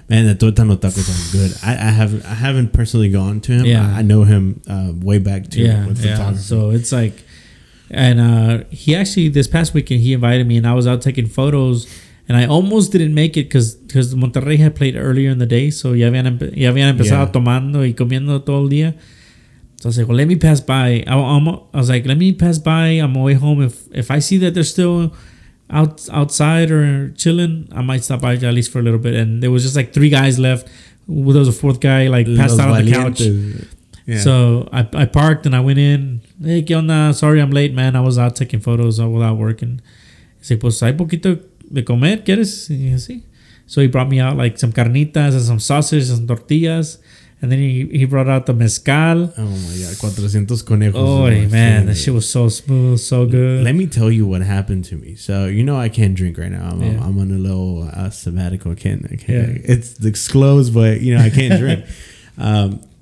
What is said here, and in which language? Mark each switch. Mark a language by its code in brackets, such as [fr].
[en] Man, the tuétano tacos are good. I haven't personally gone to him. Yeah. I know him way back too. Yeah, with photography. So it's like, and he actually, this past weekend, he invited me and I was out taking photos and I almost didn't make it because Monterrey had played earlier in the day. [es] So ya habían empezado tomando y comiendo todo el día. [en] So I was like, well, let me pass by. I was like, let me pass by. I'm on my way home. If I see that they're still outside or chilling, I might stop by at least for a little bit. And there was just like three guys left. Well, there was a fourth guy like passed out on the couch. Yeah. So I parked and I went in. Hey, [es] ¿qué onda? [en] Sorry, I'm late, man. I was out taking photos without working. He said, [es] pues hay poquito de comer, ¿quieres? Y así. [en] So he brought me out like some carnitas and some sausage and some tortillas. And then he brought out the mezcal. Oh my God, 400 conejos. Oh man, that shit was so smooth, so good. Let me tell you what happened to me. So, you know, I can't drink right now. I'm on a little sabbatical. It's disclosed, but, you know, I can't drink.